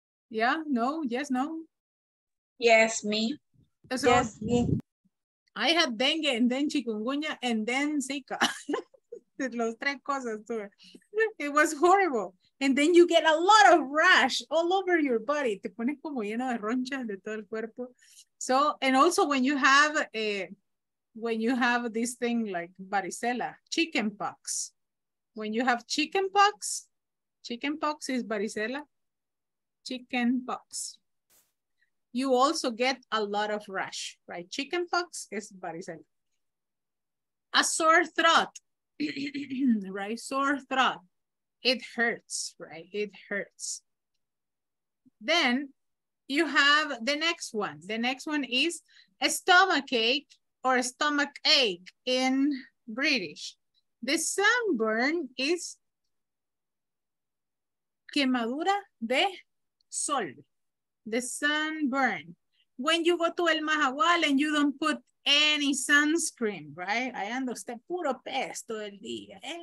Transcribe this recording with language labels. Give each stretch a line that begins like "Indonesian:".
English: Yeah, no, yes, no? Yes, me. So, yes, me. I had dengue and then chikungunya and then Zika.
Spanish: Los tres cosas tuve.
English: It was horrible. And then you get a lot of rash all over your body.
Spanish: Te pones como lleno de ronchas de todo el cuerpo.
English: So, and also when you have a... when you have this thing like varicella, chicken pox. When you have chicken pox is varicella, chicken pox. You also get a lot of rash, right? Chicken pox is varicella. A sore throat, right? Sore throat, it hurts, right? It hurts. Then you have the next one. The next one is a stomachache or a stomach ache in British. The sunburn is quemadura de sol. The sunburn. When you go to El Mahahual and you don't put any sunscreen, right?
Spanish: I ando usted puro pez todo el día.